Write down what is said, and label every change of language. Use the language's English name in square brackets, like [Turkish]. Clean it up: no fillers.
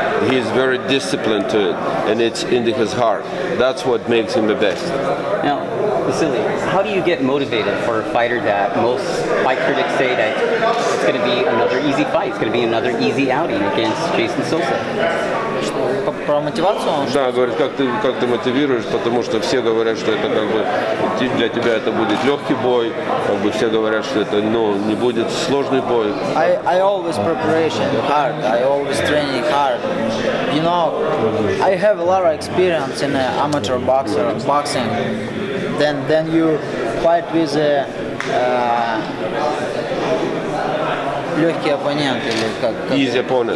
[English] He's very disciplined to it, and it's in his heart. That's what makes him the best. Now, Vasily, how do you get motivated for a fighter that most fight critics say that it's going to be another easy fight, it's going to be another easy outing against Jason Sosa? [Russian] Про мотивацию? Да, говорит, как ты мотивируешь, потому что все говорят, что это как бы для тебя это будет легкий бой, как бы все говорят, что это, ну, не будет сложный бой. [English] I always preparation hard, I always training hard. You know, I have a lot of experience in amateur boxer, boxing. Then you fight with a [Russian] легкий оппонент или как [English] easy opponent.